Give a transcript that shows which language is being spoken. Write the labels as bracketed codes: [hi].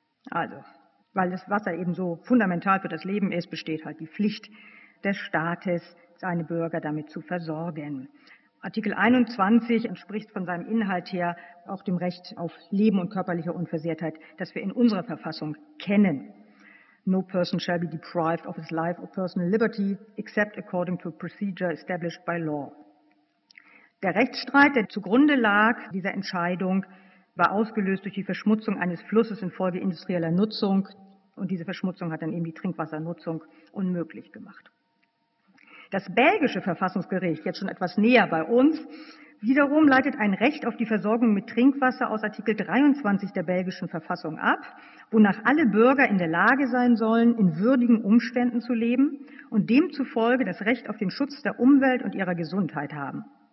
[de] Also, weil das Wasser eben so fundamental für das Leben ist, besteht halt die Pflicht des Staates, seine Bürger damit zu versorgen. Artikel 21 entspricht von seinem Inhalt her auch dem Recht auf Leben und körperliche Unversehrtheit, das wir in unserer Verfassung kennen. [en] No person shall be deprived of his life or personal liberty, except according to a procedure established by law. [de] Der Rechtsstreit, der zugrunde lag, dieser Entscheidung, war ausgelöst durch die Verschmutzung eines Flusses infolge industrieller Nutzung. Und diese Verschmutzung hat dann eben die Trinkwassernutzung unmöglich gemacht. Das belgische Verfassungsgericht, jetzt schon etwas näher bei uns, wiederum leitet ein Recht auf die Versorgung mit Trinkwasser aus Artikel 23 der belgischen Verfassung ab, wonach alle Bürger in der Lage sein sollen, in würdigen Umständen zu leben und demzufolge das Recht auf den Schutz der Umwelt und ihrer Gesundheit haben.